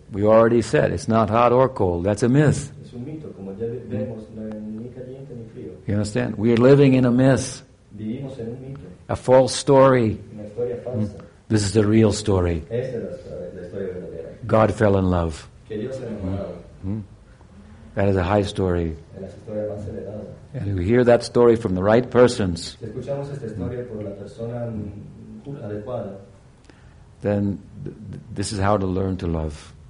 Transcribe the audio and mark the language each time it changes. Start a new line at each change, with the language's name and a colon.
English: We already said it's not hot or cold. That's a myth.
Spanish: Es un mito, como ya vemos, ni caliente ni frío.
English: You understand? We are living in a myth.
Spanish: Vivimos en un mito.
English: A false story.
Spanish: Una historia falsa. Mm.
English: This is the real story.
Spanish: Esta es la historia verdadera.
English: God fell in love.
Spanish: Que Dios se enamoró.
English: That is a high story.
Spanish: La historia más elevada.
English: And we hear that story from the right persons.
Spanish: Si escuchamos esta historia por la persona adecuada.
English: Then this is how to learn to love.